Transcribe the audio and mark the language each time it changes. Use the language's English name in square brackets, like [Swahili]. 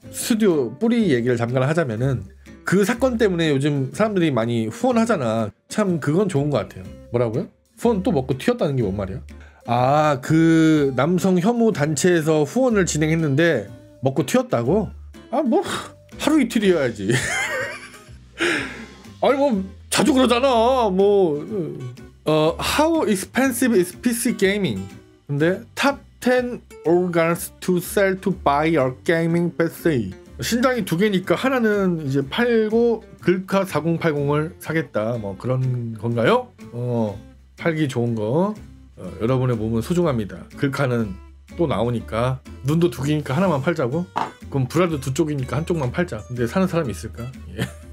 [Korean] 스튜디오 뿌리 얘기를 잠깐 하자면은 그 사건 때문에 요즘 사람들이 많이 후원하잖아. 참 그건 좋은 것 같아요. 뭐라고요? 후원 또 먹고 튀었다는 게 뭔 말이야? 아 그 남성 혐오 단체에서 후원을 진행했는데 먹고 튀었다고? 아 뭐 하루 이틀이어야지. 아니 뭐 자주 그러잖아. 뭐 [English] How expensive is PC gaming? [Korean] 근데 [English] top 10 organs to sell to buy a gaming PC. [Korean] 신장이 두 개니까 하나는 이제 팔고 글카 4080을 사겠다. 뭐 그런 건가요? 팔기 좋은 거. 여러분의 몸은 소중합니다. 글카는 또 나오니까 눈도 두 개니까 하나만 팔자고. 그럼 브라도 두 쪽이니까 한 쪽만 팔자. 근데 사는 사람이 있을까? 예.